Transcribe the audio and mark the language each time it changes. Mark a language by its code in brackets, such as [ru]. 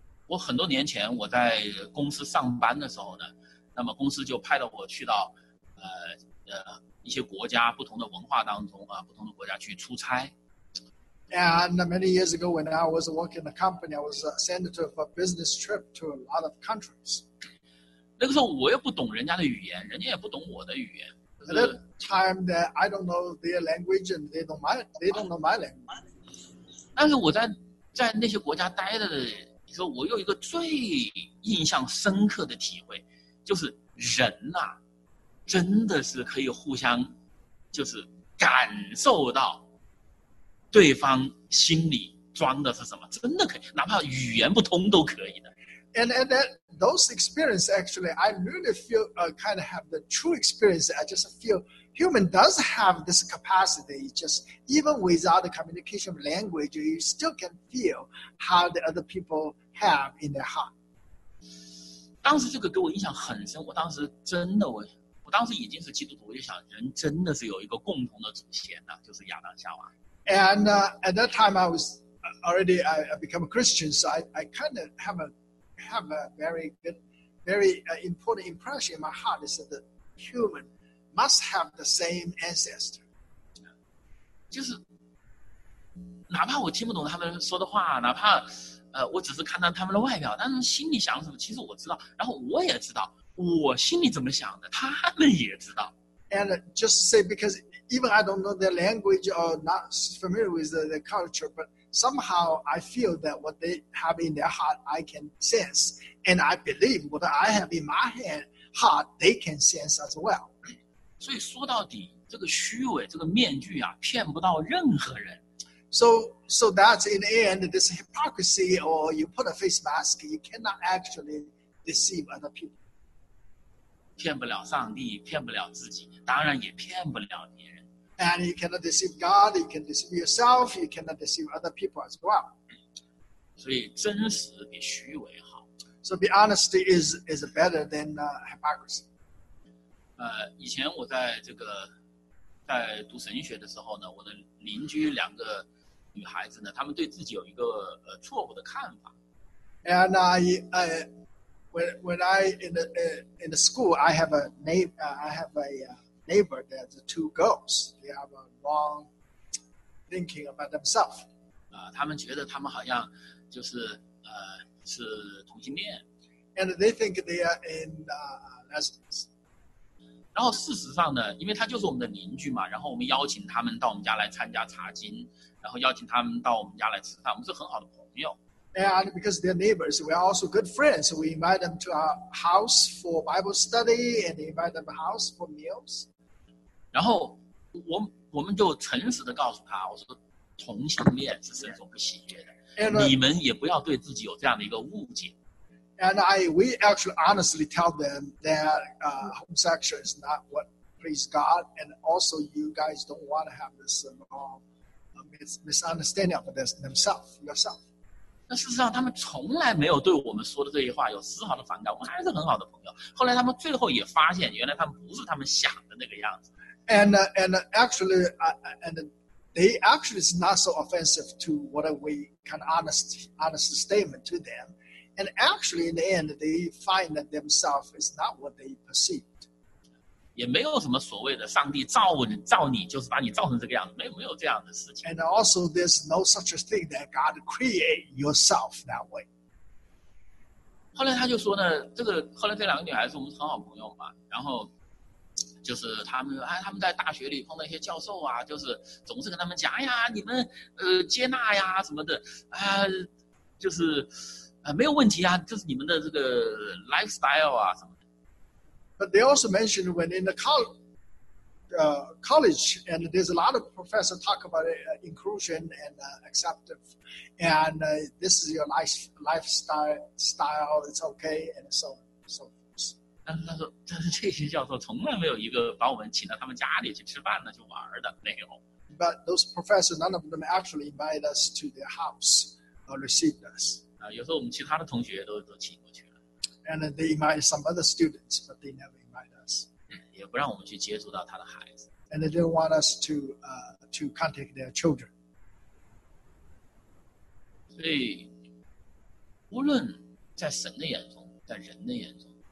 [zh] 我很多年前我在公司上班的时候呢，那么公司就派了我去到一些国家不同的文化当中啊，不同的国家去出差。 [en] And many years ago, when I was working in a company, I was sent to a business trip to a lot of countries. [zh] 那个时候我又不懂人家的语言，人家也不懂我的语言。 [en] At that time, that I don't know their language and they don't know my language. [zh] 但是我在那些国家待着的。你说我有一个最印象深刻的体会，就是人呐、啊，真的是可以互相，就是感受到对方心里装的是什么，真的可以，哪怕语言不通都可以的。 [en] And that those experience actually, I really feel kind of have the true experience. I just feel human does have this capacity. Just even without the communication of language, you still can feel how the other people have in their heart. [zh] 当时这个给我印象很深。我当时真的，我当时已经是基督徒，我就想，人真的是有一个共同的祖先呢、啊，就是亚当夏娃。 [en] And at that time, I was already I become a Christian, so I kind of have a very good, very important impression in my heart is that the human must have the same ancestor. [zh] 就是哪怕我听不懂他们说的话，哪怕我只是看到他们的外表，但是心里想什么，其实我知道，然后我也知道我心里怎么想的，他们也知道。 [en] And just say because even I don't know their language or not familiar with the culture, but somehow I feel that what they have in their heart, I can sense, and I believe what I have in my heart, they can sense as well. [zh] 所以说到底，这个虚伪，这个面具啊，骗不到任何人。 [en] So that in the end, this hypocrisy or you put a face mask, you cannot actually deceive other people. [zh] 骗不了上帝，骗不了自己，当然也骗不了别人。 [en] And you cannot deceive God, you can deceive yourself, you cannot deceive other people as well. [zh] 所以真实比虚伪好。 [en] So be honest is better than hypocrisy. [zh] 以前我在这个在读神学的时候呢，我的邻居两个女孩子呢，她们对自己有一个错误的看法。 [en] And when I in the school, I have a name, I have a neighbor, there's two girls. They have a wrong thinking about themselves. [zh] 他们觉得他们好像就是是同性恋。 [en] And they think they are in lesbians. [zh] 然后事实上呢，因为他就是我们的邻居嘛，然后我们邀请他们到我们家来参加茶经，然后邀请他们到我们家来吃饭，我们是很好的朋友。 [en] And because they're neighbors, we're also good friends. We invite them to our house for Bible study, and invite them to our house for meals. [zh] 然后我们就诚实地告诉他，我说同性恋是神所不喜悦的， [en] and, [zh] 你们也不要对自己有这样的一个误解。 [en] And we actually honestly tell them that homosexual is not what please God, and also you guys don't want to have this misunderstanding of yourself. [zh] 那事实上他们从来没有对我们说的这些话有丝毫的反感，我们还是很好的朋友。后来他们最后也发现，原来他们不是他们想的那个样子。 [en] And they actually is not so offensive to what we kind of honest statement to them. And actually in the end, they find that themselves is not what they perceived. [zh] 也没有什么所谓的上帝造你就是把你造成这个样子，没有这样的事情。 [en] And also, there's no such a thing that God create yourself that way. [zh] 后来他就说呢，这个后来这两个女孩子我们是很好朋友嘛，然后就是他们说，哎，他们在大学里碰到一些教授啊，就是总是跟他们讲，哎呀，你们接纳呀什么的啊，就是没有问题啊，就是你们的这个 lifestyle 啊什么的。 [en] But they also mentioned when in the college, and there's a lot of professors talk about inclusion and acceptance, and this is your lifestyle, it's okay, and so. [zh] 他说：“但是这些教授从来没有一个把我们请到他们家里去吃饭的、去玩的那种。 [en] ”But those professors, none of them actually invite us to their house or receive us. [zh] 啊，有时候我们其他的同学都请过去了。 [en] And they invite some other students, but they never invite us. [zh] 也不让我们去接触到他的孩子。 [en] And they don't want us to contact their children. [zh] 所以，无论在神的眼中，在人的眼中。